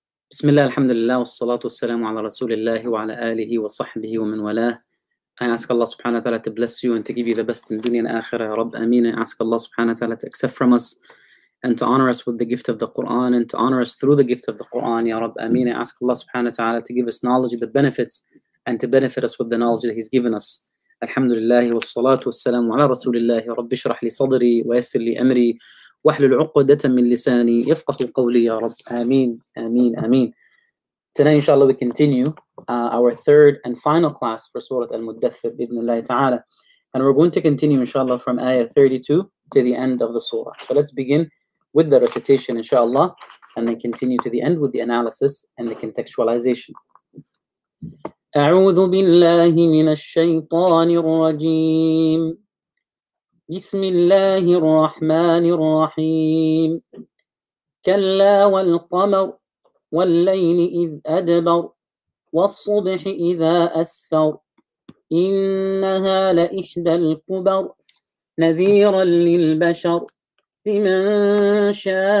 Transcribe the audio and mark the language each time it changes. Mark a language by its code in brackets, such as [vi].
[ar] بسم الله، الحمد لله، والصلاة والسلام على رسول الله وعلى آله وصحبه ومن والاه. [en] I ask Allah subhanahu wa ta'ala to bless you and to give you the best in dunya and akhirah, Ya Rabb, Ameen. I ask Allah subhanahu wa ta'ala to accept from us and to honor us with the gift of the Qur'an and to honor us through the gift of the Qur'an, Ya Rabb, Ameen. I ask Allah subhanahu wa ta'ala to give us knowledge of the benefits and to benefit us with the knowledge that He's given us. [ar] الحمد لله والصلاة والسلام على رسول الله. رب اشرح لي صدري ويسر لي أمري واحلل عقدة من لساني يفقه قولي يا رب. آمين آمين آمين. [en] Today inshallah we continue our third and final class for Surah Al-Muddathir [ar] بإذن الله تعالى. [en] And we're going to continue inshallah from ayah 32 to the end of the surah. So let's begin with the recitation inshallah and then continue to the end with the analysis and the contextualization. [ar] أعوذ بالله من الشيطان الرجيم بسم الله الرحمن الرحيم كلا والقمر والليل إذ أدبر والصبح إذا أسفر إنها لإحدى الكبر نذيرا للبشر لمن شاء